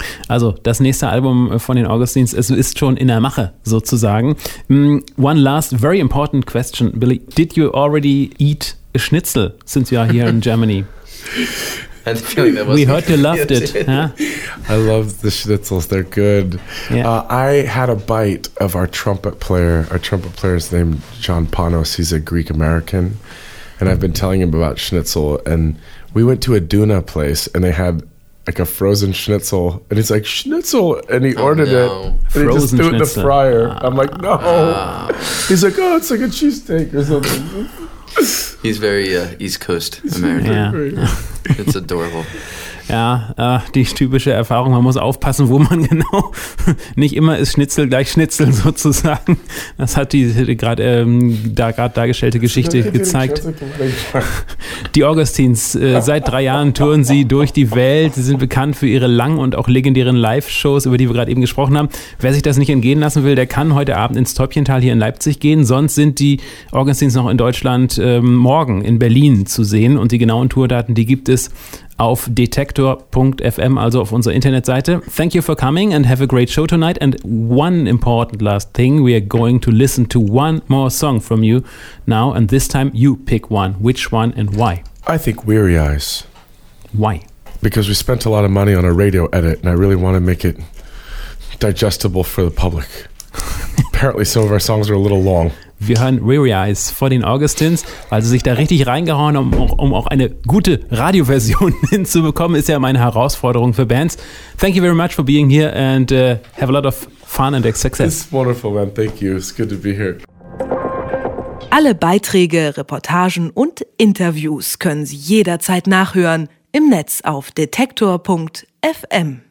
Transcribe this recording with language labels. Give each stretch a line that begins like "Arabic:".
German: Also, das nächste Album von den Augustines, es ist schon in der Mache, sozusagen.
English: One last very important question, Billy. Did you already eat a schnitzel since you are here in Germany? We heard you loved it. Huh? I love the schnitzels. They're good. Yeah. I had a bite of our trumpet player. Our trumpet player's name, John Panos. He's a Greek-American. And I've been telling him about schnitzel. And we went to a Duna place, and they had like a frozen schnitzel. And he's like, schnitzel. And he ordered it. And frozen he just threw schnitzel. It in the fryer. I'm like, no. He's like, oh, it's like a cheesesteak or something. He's very East Coast American. Yeah. It's adorable.
German: Ja, die typische Erfahrung, man muss aufpassen, wo man genau, nicht immer ist Schnitzel gleich Schnitzel sozusagen. Das hat die gerade dargestellte Geschichte gezeigt. Die Augustines, seit 3 Jahren touren sie durch die Welt. Sie sind bekannt für ihre langen und auch legendären Live-Shows, über die wir gerade eben gesprochen haben. Wer sich das nicht entgehen lassen will, der kann heute Abend ins Täubchental hier in Leipzig gehen. Sonst sind die Augustines noch in Deutschland morgen in Berlin zu sehen. Und die genauen Tourdaten, die gibt es auf detektor.fm, also auf unserer Internetseite.
English: Thank you for coming and have a great show tonight. And one important last thing, we are going to listen to one more song from you now, and this time you pick one. Which one and why? I think Weary Eyes. Why? Because we spent a lot of money on a radio edit, and I really want to make it digestible for the public. Apparently some of our songs are a little long.
German: Wir hören Weary Eyes vor den Augustins, also sich da richtig reingehauen, um auch eine gute Radioversion hinzubekommen, ist ja immer eine Herausforderung für Bands.
English: Thank you very much for being here and have a lot of fun and success. It's wonderful, man. Thank you. It's good to be here.
German: Alle Beiträge, Reportagen und Interviews können Sie jederzeit nachhören im Netz auf detektor.fm.